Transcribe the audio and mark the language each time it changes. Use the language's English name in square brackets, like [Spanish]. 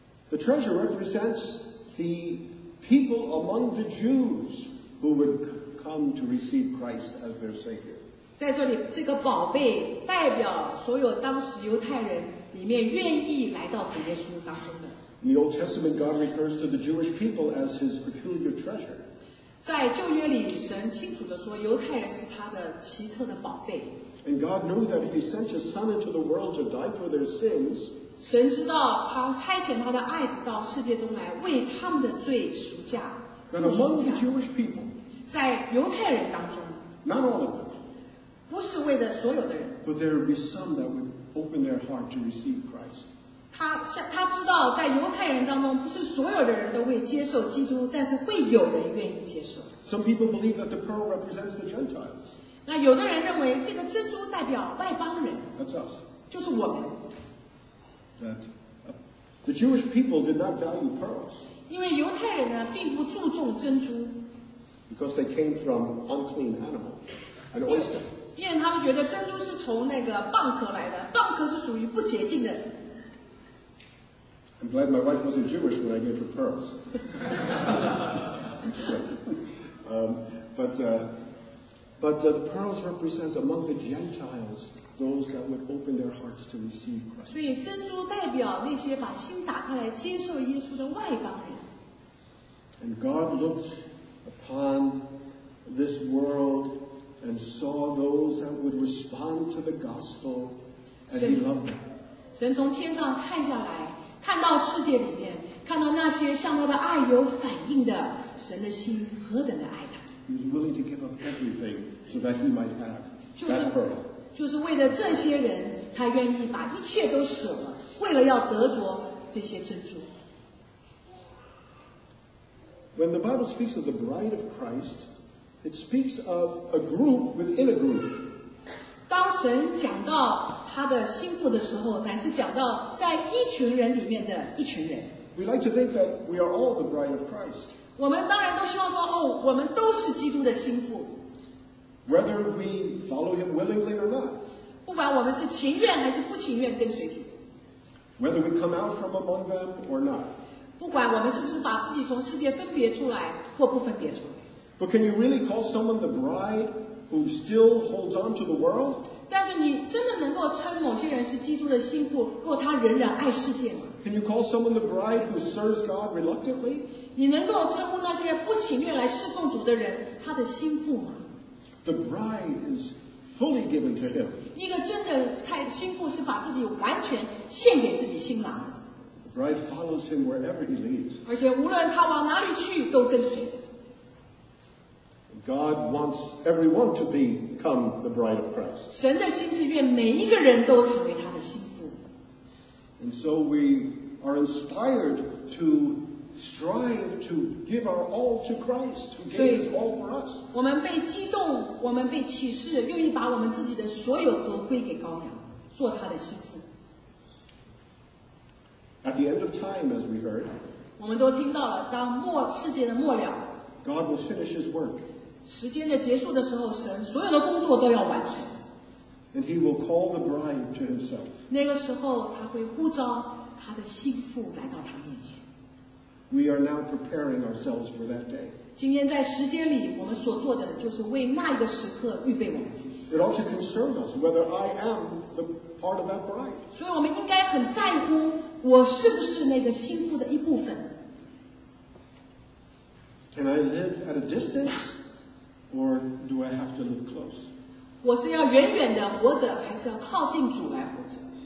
[English] The treasure represents the people among the Jews who would come to receive Christ as their Savior. [Chinese] 在这里，这个宝贝代表所有当时犹太人里面愿意来到主耶稣当中的。 [English] In the Old Testament, God refers to the Jewish people as His peculiar treasure. [Chinese] 在旧约里，神清楚地说，犹太人是他的奇特的宝贝。 [English] And God knew that if He sent His Son into the world to die for their sins. [Chinese] 神知道他差遣他的爱子到世界中来为他们的罪赎价。 [English] And among the Jewish people, [Chinese] 在犹太人当中 [English] not all of them, [Chinese] 不是为了所有的人 [English] but there would be some that would open their heart to receive Christ. [Chinese] 他知道在犹太人当中不是所有的人都会接受基督但是会有人愿意接受。 [English] Some people believe that the pearl represents the Gentiles. [Chinese] 那有的人认为这个珍珠代表外邦人 [English] That's us. [Chinese] 就是我们。 [English] That the Jewish people did not value pearls. [Chinese] 因为犹太人呢并不注重珍珠。 [English] Because they came from unclean animal, an oyster. [Chinese] 因为他们觉得珍珠是从那个蚌壳来的，蚌壳是属于不洁净的。 [English] I'm glad my wife wasn't Jewish when I gave her pearls. But the pearls represent among the Gentiles those that would open their hearts to receive Christ. [Chinese] 所以珍珠代表那些把心打开来接受耶稣的外邦人。 [English] And God looked upon this world and saw those that would respond to the gospel and He loved them. [Chinese] 神从天上看下来，看到世界里面，看到那些向他的爱有反应的，神的心何等的爱他。 [English] He was willing to give up everything so that he might have that pearl. [Chinese] 就是为了这些人，他愿意把一切都舍了，为了要得着这些珍珠。 [English] When the Bible speaks of the bride of Christ, it speaks of a group within a group. [Chinese] 当神讲到他的心腹的时候，乃是讲到在一群人里面的一群人。 [English] We like to think that we are all the bride of Christ. [Chinese] 我们当然都希望说，哦，我们都是基督的心腹。 [English] Whether we follow him willingly or not. [Chinese] 不管我们是情愿还是不情愿跟随主。 [English] Whether we come out from among them or not. [Chinese] 不管我们是不是把自己从世界分别出来或不分别出来。 [English] But can you really call someone the bride who still holds on to the world? [Chinese] 但是你真的能够称某些人是基督的心腹，或他仍然爱世界吗？ [English] Can you call someone the bride who serves God reluctantly? [Chinese] 你能够称呼那些不情愿来侍奉主的人他的心腹吗？ [English] The bride is fully given to him. [Chinese] 一个真的心腹是把自己完全献给自己新郎。 [English] The bride follows him wherever he leads. [Chinese] 而且无论他往哪里去都跟随。 [English] God wants everyone to become the bride of Christ. [Chinese] 神的心是愿每一个人都成为他的心腹。 [English] And so we are inspired to strive to give our all to Christ, who gave his all for us. [Chinese] 我们被激动，我们被启示，愿意把我们自己的所有都归给羔羊，做他的心腹。 [English] At the end of time, as we heard, [Chinese] 我们都听到了，当末世界的末了 [English] ，God will finish His work. [Chinese] 时间的结束的时候，神所有的工作都要完成。 [English] And he will call the bride to himself. [Chinese] 那个时候他会呼召他的心腹来到他面前。 [English] We are now preparing ourselves for that day. [Chinese] 今天在时间里我们所做的就是为那一个时刻预备我们自己。 [English] It also concerns us whether I am the part of that bride. [Chinese] 所以我们应该很在乎我是不是那个心腹的一部分。 [English] Can I live at a distance, or do I have to live close? [Chinese] 我是要远远地活着，还是要靠近主来活着？